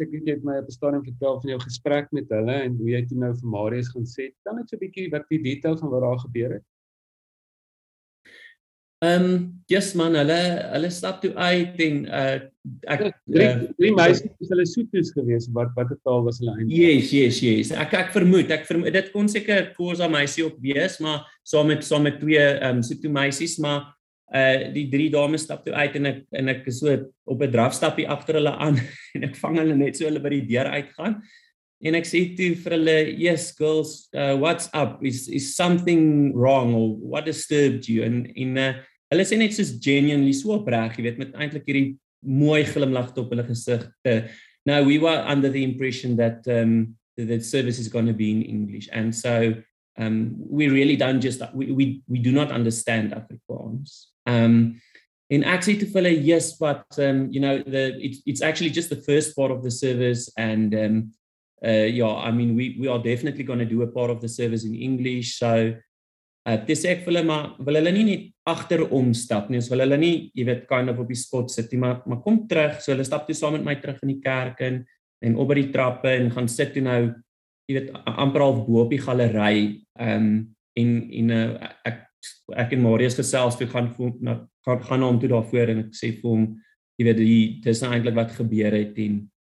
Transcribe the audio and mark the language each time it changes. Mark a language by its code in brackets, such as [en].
[af] Ek het net my op 'n stadium vertel van jou gesprek met hulle en hoe jy toe nou vir Marius gaan sê. Kan net so bietjie wat die details van wat daar gebeur het? Yes man, hulle stap toe uit en drie meisies is hulle Sotho's gewees, wat die taal was hulle eintlik? Yes. Ek vermoed dit kon seker 'n Khoisa meisie ook wees, maar saam met 2 Sotho meisies, maar die 3 dames stap toe uit en ek is so op 'n drafstappie agter hulle aan en ek vang hulle net so hulle by die deur uitgaan. En ek sê toe vir hulle, [en] yes girls, what's up, is something wrong, or what disturbed you? [af] Hulle sê net soos genuinely so opreg, jy weet, met eintlik hierdie mooi glimlag op hulle gesigte. [en] Now we were under the impression that the service is going to be in English, and so we really don't just, we do not understand Afrikaans. [af] En ek sê toe vir hulle, [en] yes, but you know, it's actually just the first part of the service, and we are definitely going to do a part of the service in English. [af] So dis ek vir hulle, maar wil hulle nie net agterom stap nie, ons wil hulle nie, jy weet, kind of op die spot sit nie, maar kom terug. So hulle stap toe saam met my terug in die kerk en op by die trappe en gaan sit toe nou, jy weet, amper half bo op die galery. Ek en Marius gesels toe, gaan na hom toe daarvoor en ek sê vir hom, jy weet, dis nou eintlik wat gebeur het en